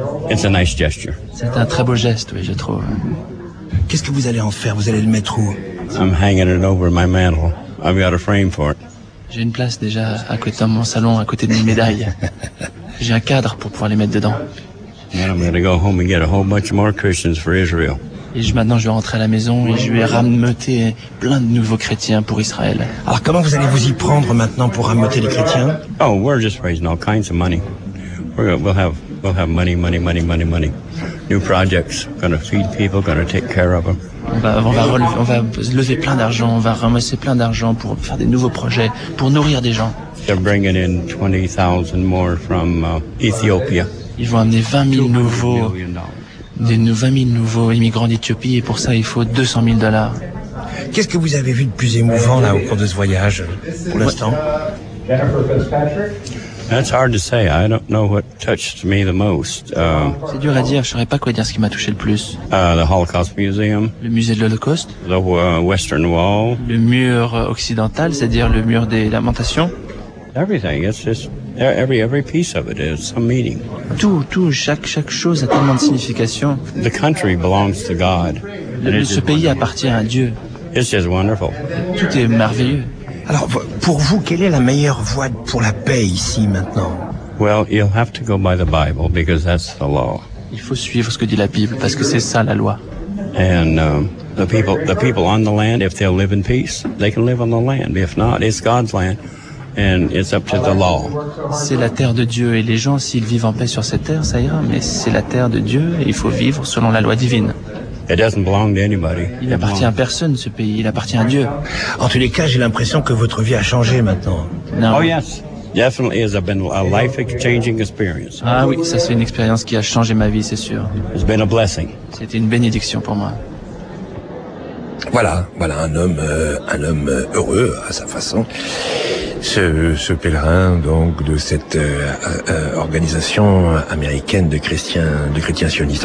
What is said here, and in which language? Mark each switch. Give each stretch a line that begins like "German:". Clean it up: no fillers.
English: It's a nice gesture.
French: C'est un très beau geste, oui, je trouve. Qu'est-ce que vous allez en faire? Vous allez le mettre où?
English: I'm hanging it over my mantle. I've got a frame for it.
French: J'ai une place déjà à côté de mon salon, à côté de mes médailles. J'ai un cadre pour pouvoir les mettre dedans.
English: And I'm going to go home and get a whole bunch more Christians for Israel.
French: Et maintenant, je vais rentrer à la maison et je vais rameuter plein de nouveaux chrétiens pour Israël. Alors, comment vous allez vous y prendre maintenant pour rameuter les chrétiens?
English: Oh, we're just raising all kinds of money. We'll have money. New projects, gonna feed people, gonna take care of them.
French: On va lever plein d'argent, on va ramasser plein d'argent pour faire des nouveaux projets, pour nourrir des gens.
English: They're bringing in 20,000 more from Ethiopia.
French: Ils vont amener 20 000 nouveaux immigrants d'Éthiopie, et pour ça, il faut 200 000 dollars. Qu'est-ce que vous avez vu de plus émouvant, là, au cours de ce voyage, pour l'instant?
English: That's hard to say. I don't know what touched me the most.
French: C'est dur à dire. Je ne saurais pas quoi dire ce qui m'a touché le plus.
English: The Holocaust Museum.
French: Le musée de l'Holocauste.
English: The Western Wall.
French: Le mur occidental, c'est-à-dire le mur des lamentations.
English: Everything. It's just... Every piece of it is some meaning.
French: Chaque chose a tellement de signification.
English: The country belongs to God.
French: Ce pays appartient à Dieu.
English: It's just wonderful.
French: Tout est merveilleux. Alors, pour vous, quelle est la meilleure voie pour la paix ici maintenant?
English: Well, you'll have to go by the Bible because that's the law.
French: Il faut suivre ce que dit la Bible parce que c'est ça la loi.
English: And the people on the land, if they'll live in peace, they can live on the land. If not, it's God's land. And it's up to the law.
French: C'est la terre de Dieu, et les gens, s'ils vivent en paix sur cette terre, ça ira. Mais c'est la terre de Dieu, et il faut vivre selon la loi divine.
English: It doesn't belong to anybody.
French: Il n'appartient à personne, ce pays. Il appartient à Dieu. En tous les cas, j'ai l'impression que votre vie a changé maintenant. Non.
English: Oh yes, definitely has been a life-changing experience.
French: Ah oui, ça c'est une expérience qui a changé ma vie, c'est sûr.
English: It's been a blessing.
French: C'était une bénédiction pour moi. Voilà un homme heureux à sa façon. Ce pèlerin, donc, de cette organisation américaine de chrétiens sionistes.